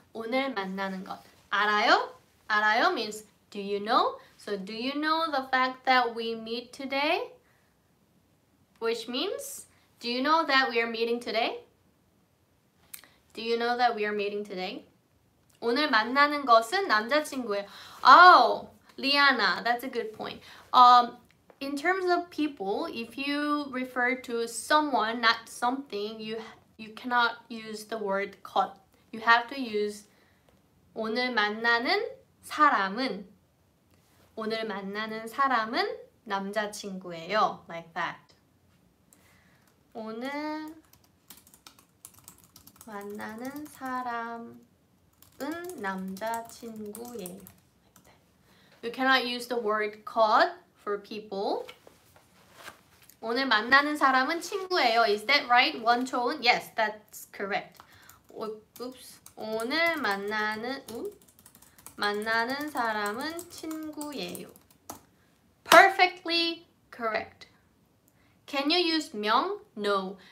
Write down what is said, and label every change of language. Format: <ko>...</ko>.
<ko>오늘 만나는 것. 알아요? 알아요</ko> <en>means do you know? So do you know the fact that we meet today? Which means, do you know that we are meeting today? Do you know that we are meeting today?</en> <ko>오늘 만나는 것은 남자친구예요.</ko> <en>Oh, Liana, that's a good point. In terms of people, if you refer to someone, not something, you cannot use the word 것. You have to use</en> <ko>오늘 만나는 사람은. 오늘 만나는 사람은 남자친구예요.</ko> <en>Like that.</en> <ko>오늘 만나는 사람은 남자친구예요.</ko> <en>You cannot use the word 것 for people.</en> <ko>오늘 만나는 사람은 친구예요.</ko> <en>Is that right? 원초은? Yes, that's correct. Oops.</en> <ko>오늘 만나는 사람은 친구예요.</ko> <en>Perfectly correct. Can you use 명? No.</en>